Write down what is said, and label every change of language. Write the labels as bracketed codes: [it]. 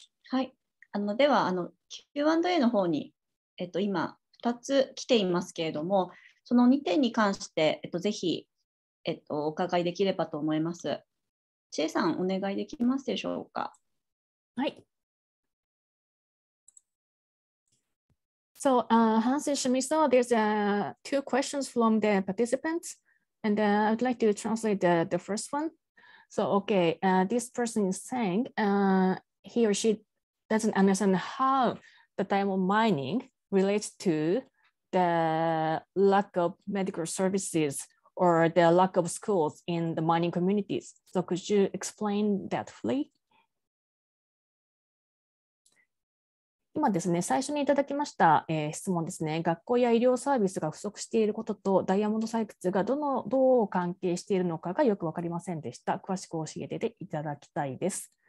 [ja] はい、ではQ&A の方に、今2つ来ていますけれども、その2点に関して、ぜひ、お伺いできればと思います。チェさん、お願いできますでしょうか。はい。 [en] So, Hans and Shimizu, there's two questions from the participants, and I'd like to translate the first one. So, okay, this person is saying he or she doesn't understand how the diamond mining relates to the lack of medical services or the lack of schools in the mining communities. So could you explain that fully? [ja] 今ですね、最初にいただきました、質問ですね。学校や医療サービスが不足していることとダイヤモンド採掘がどう関係しているのかがよく分かりませんでした。詳しく教えていただきたいです。